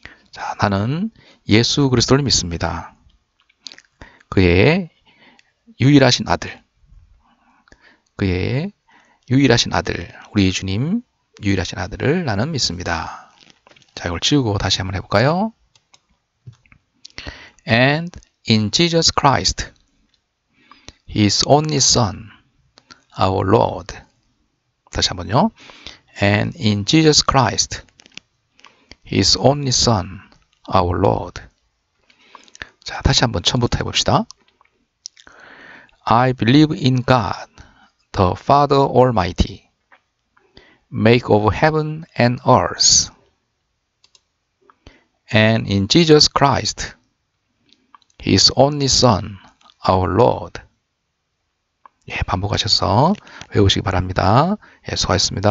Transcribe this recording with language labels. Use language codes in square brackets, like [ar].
[ko] 자, 나는 예수 그리스도를 믿습니다. 그의 유일하신 아들, 그의 유일하신 아들, 우리 주님 유일하신 아들을 나는 믿습니다. 자, 이걸 지우고 다시 한번 해볼까요? [en] And in Jesus Christ, His only Son, our Lord. [ko] 다시 한번요. [en] And in Jesus Christ, His only Son. Our Lord. [ko] 자, 다시 한번 처음부터 해봅시다. [en] I believe in God, the Father Almighty, Maker of heaven and earth, and in Jesus Christ, His only Son, our Lord. [ko] 예, 반복하셔서 외우시기 바랍니다. 예, 수고하셨습니다.